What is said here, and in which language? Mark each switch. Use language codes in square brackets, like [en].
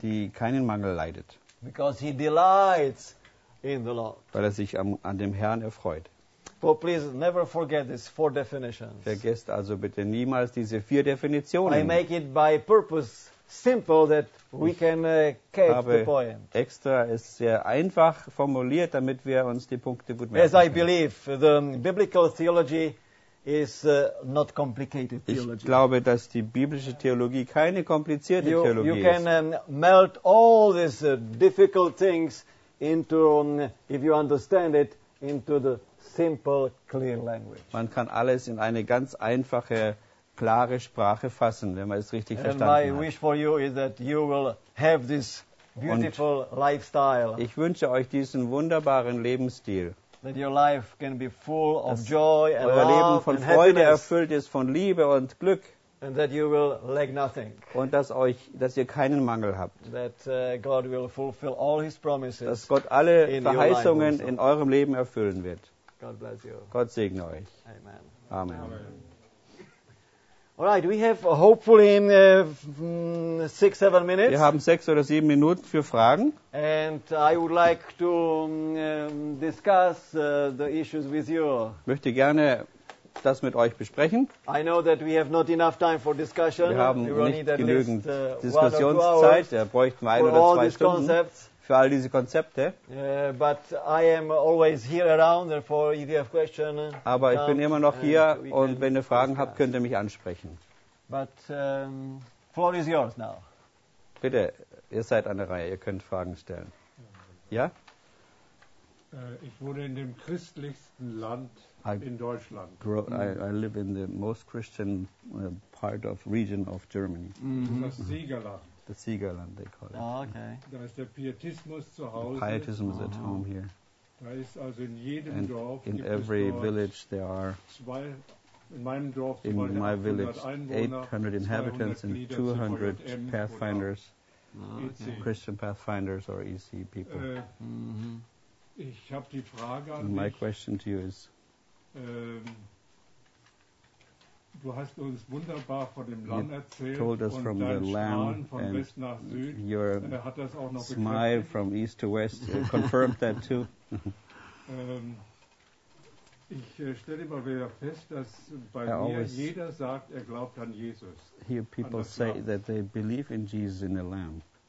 [de] Die keinen Mangel leidet. [en] Because he delights in the Lord. [de] Weil er sich an dem Herrn erfreut. [en] So please never forget these four definitions. [de] Vergesst also bitte niemals diese vier Definitionen. [en] I make it by purpose simple that we can catch the point. [de] Extra ist sehr einfach formuliert, damit wir uns die Punkte gut merken. [en] As I believe, the biblical theology is not complicated theology. [de] Ich glaube, dass die biblische Theologie keine komplizierte Theologie ist. [en] You can melt all these difficult things into, if you understand it, into the simple, clear language. [de] Man kann alles in eine ganz einfache, klare Sprache fassen, wenn man es richtig verstanden hat. [en] And my wish for you is that you will have this beautiful lifestyle. [de] Ich wünsche euch diesen wunderbaren Lebensstil. [en] That your life can be full of joy and love. [de] Euer Leben von Freude erfüllt ist, von Liebe und Glück. [en] And that you will lack nothing. [de] Und dass ihr keinen Mangel habt. [en] That God will fulfill all his promises. [de] Dass Gott alle Verheißungen in eurem Leben erfüllen wird. [en] God bless you. [de] Gott segne euch. [en] Amen. [de] Amen. [en] All right, we have hopefully 6-7 minutes. [de] Wir haben 6 oder 7 Minuten für Fragen. [en] And I would like to discuss the issues with you. [de] Möchte gerne das mit euch besprechen. [en] I know that we have not enough time for discussion. [de] Wir haben nicht genügend Diskussionszeit. Da bräuchten wir 1 oder 2 Stunden. [en] Concepts. [de] Für all diese Konzepte. [en] But I am always here around, therefore if you have question, [de] aber ich bin immer noch hier und wenn ihr Fragen habt, könnt ihr mich ansprechen. [en] But floor is yours now. [de] Bitte, ihr seid an der Reihe, ihr könnt Fragen stellen. Ja? Ich wohne in dem christlichsten Land in Deutschland. [en] I live in the most Christian part of region of Germany. [de] Mm-hmm. Das Siegerland. [en] Das Siegerland, they call it. Ah, okay. [de] Da ist der Pietismus zu Hause. [en] The Pietism is at home here. [de] Da ist also in jedem [en] and [de] Dorf. [en] In every village there are. [de] In meinem Dorf [en] in my village, 800 inhabitants and 200 pathfinders, Christian pathfinders or EC people. [de] Ich habe die Frage an dich. [en] My question to you is. [de] Du hast uns wunderbar von dem Land erzählt [en] told us [de] und [en] from [de] dein [en] the land [de] Strahlen von West nach Süd. [en] Your [de] hat das auch noch [en] smile from East to West confirmed that too. [de] Ich stelle immer wieder fest, dass bei mir jeder sagt, er glaubt an Jesus. [en] Hear people say that they believe in Jesus in the Lamb.